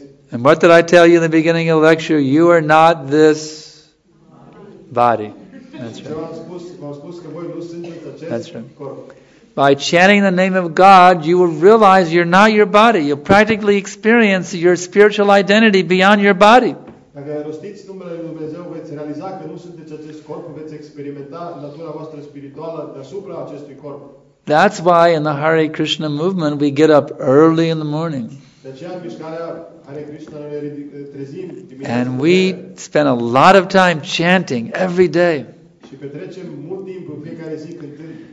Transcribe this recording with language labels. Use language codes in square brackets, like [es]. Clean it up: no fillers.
[en] And what did I tell you in the beginning of the lecture? You are not this body. That's right. That's right. By chanting the name of God, you will realize you're not your body. You'll practically experience your spiritual identity beyond your body. [ro] Dacă rostiți numele lui Dumnezeu, veți realiza că nu sunteți acest corp, veți experimenta natura voastră spirituală deasupra acestui corp. [en] That's why in the Hare Krishna movement we get up early in the morning. [ro] De aceea în mișcarea Hare Krishna ne trezim dimineața. [en] And we spend a lot of time chanting every day. Și petrecem mult timp în fiecare zi cântând.